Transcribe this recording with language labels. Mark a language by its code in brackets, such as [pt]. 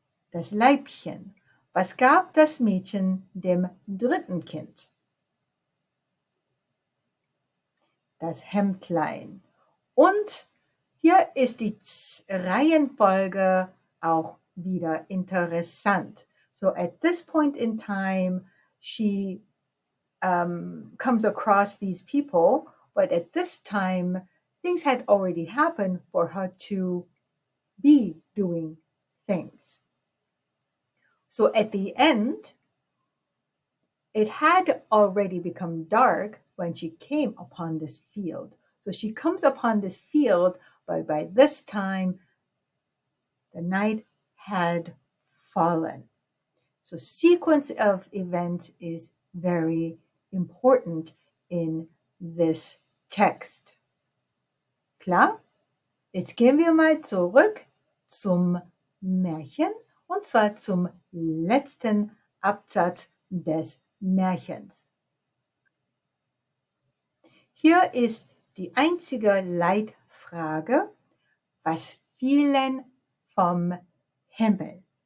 [de] das Leibchen. Was gab das Mädchen dem dritten Kind? Das Hemdlein. Und hier ist die Reihenfolge auch wieder interessant. [en] So at this point in time, she comes across these people, but at this time, things had already happened for her to be doing things. So at the end, it had already become dark when she came upon this field. So she comes upon this field, but by this time, the night had fallen. So sequence of events is very important in this text. [de] Klar? Jetzt gehen wir mal zurück zum Märchen, und zwar zum letzten Absatz des Märchens. Hier ist die einzige Leitfrage: Was fielen vom Himmel?